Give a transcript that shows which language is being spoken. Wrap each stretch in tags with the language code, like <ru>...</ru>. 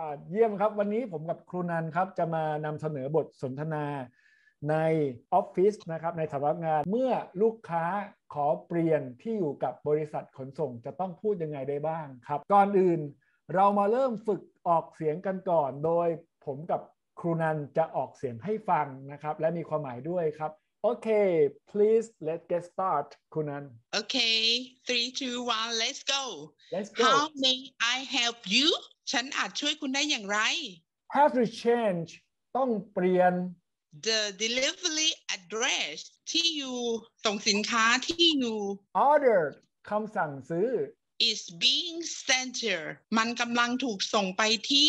<th>เยี่ยมครับวันนี้ผมกับครูนันครับจะมานำเสนอบทสนทนาในออฟฟิศนะครับในสำนักงานเมื่อลูกค้าขอเปลี่ยนที่อยู่กับบริษัทขนส่งจะต้องพูดยังไงได้บ้างครับก่อนอื่นเรามาเริ่มฝึกออกเสียงกันก่อนโดยผมกับครูนันจะออกเสียงให้ฟังนะครับและมีความหมายด้วยครับโอเค</th> <en>please let's get start</en> <th>คุณนัน</th> <en>โอเค3 2 1 let's go let's go how may I help you</en> <th>ฉันอาจช่วยคุณได้อย่างไร</th> <en>have to change</en> <th>ต้องเปลี่ยน</th> <en>the delivery address</en> <th>ที่อยู่ส่งสินค้าที่อยู่ order คำสั่งซื้อ</th> <en>is being sent here</en> <th>มันกำลังถูกส่งไปที</th>